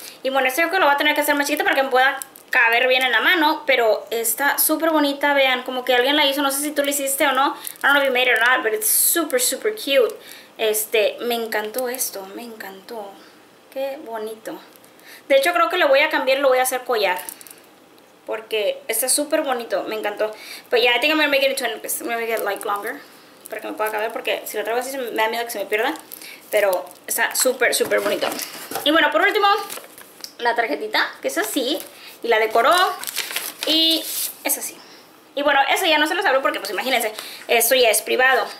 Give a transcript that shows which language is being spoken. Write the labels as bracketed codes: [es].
[es] Y bueno, esto yo creo que lo voy a tener que hacer más chiquito para que me pueda caber bien en la mano. Pero está súper bonita, vean. Como que alguien la hizo. No sé si tú la hiciste o no. [en] I don't know if you made it or not, but it's super, super cute. [es] Este, me encantó esto, me encantó. Qué bonito. De hecho, creo que lo voy a cambiar, lo voy a hacer collar. Porque está súper bonito, me encantó. Pero ya, [en] yeah, I think I'm gonna make it into an, I'm gonna make it like longer. [es] Para que me pueda caber, porque si lo traigo así me da miedo que se me pierda. Pero está súper, súper bonito. Y bueno, por último, la tarjetita, que es así. Y la decoró. Y es así. Y bueno, eso ya no se los hablo porque, pues imagínense, esto ya es privado.